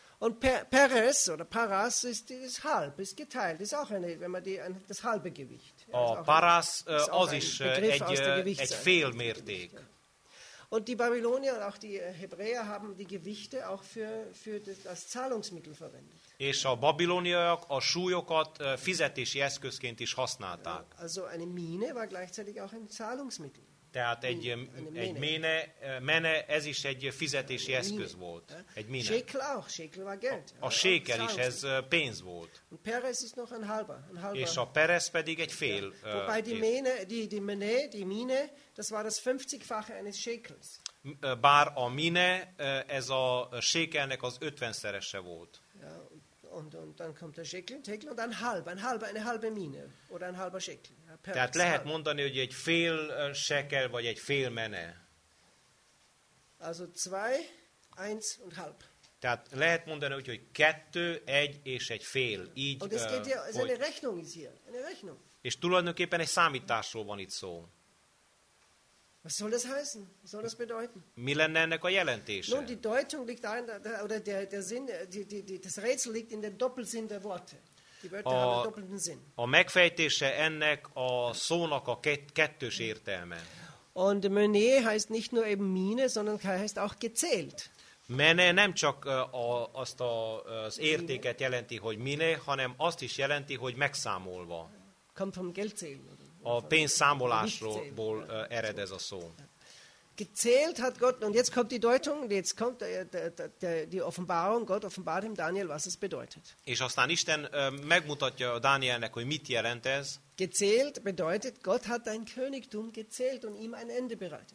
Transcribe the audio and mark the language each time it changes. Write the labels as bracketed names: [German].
[German] Und Peres oder Paras ist halb, ist geteilt, ist auch eine, wenn man die, das halbe Gewicht. [Hungarian] Oh, Paras, az is egy fél mérték. [German] Und die Babylonier und auch die Hebräer haben die Gewichte auch für das Zahlungsmittel verwendet. [Hungarian] És a babiloniak a súlyokat fizetési eszközként is használták. [German] Also eine Mine war gleichzeitig auch ein Zahlungsmittel. [Hungarian] Tehát egy mene, ez is egy fizetési eszköz volt. Egy mine. [German] Shekel auch, Shekel war Geld. [Hungarian] A Shekel is, ez pénz volt. [German] Und Peres ist noch ein halber. [Hungarian] És a Peres pedig egy fél. [German] Wobei die Mine, das war das 50-fache eines Shekels. [Hungarian] Bár a mine, ez a Shekelnek az 50-szerese volt. [German] Und dann kommt der Schekel und dann halb, eine halbe Mine oder ein halber Schekel. [Hungarian] Tehát lehet mondani, hogy egy fél Schekel vagy egy fél mene. [German] Also zwei, eins und halb. [Hungarian] Tehát lehet mondani, hogy kettő, egy és egy fél. Így, [German] und es geht ja, es eine Rechnung ist hier, eine Rechnung. [Hungarian] És tulajdonképpen egy számításról van itt szó. [German] Was soll das heißen? Was soll das bedeuten? [Hungarian] Mi lenne ennek a jelentése? [German] Nun, die Deutung liegt darin, oder der Sinn, das Rätsel liegt in dem Doppelsinn der Worte. Die Wörter haben doppelten Sinn. [Hungarian] A megfejtése ennek a szónak a kettős értelme. [German] Und Menet heißt nicht nur eben Mine, sondern heißt auch gezählt. [Hungarian] Mene nem csak az értéket jelenti, hogy mine, hanem azt is jelenti, hogy megszámolva. [German] Kommt vom Geldzählen. [Hungarian] A pénzszámolásról ered ez a szó. [German] Gezählt hat Gott, und jetzt kommt die Deutung, jetzt kommt die Offenbarung, Gott offenbart ihm Daniel, was es bedeutet. [Hungarian] És aztán Isten megmutatja Dánielnek, hogy mit jelent ez. [German] Gezählt bedeutet, Gott hat dein Königtum gezählt und ihm ein Ende bereitet.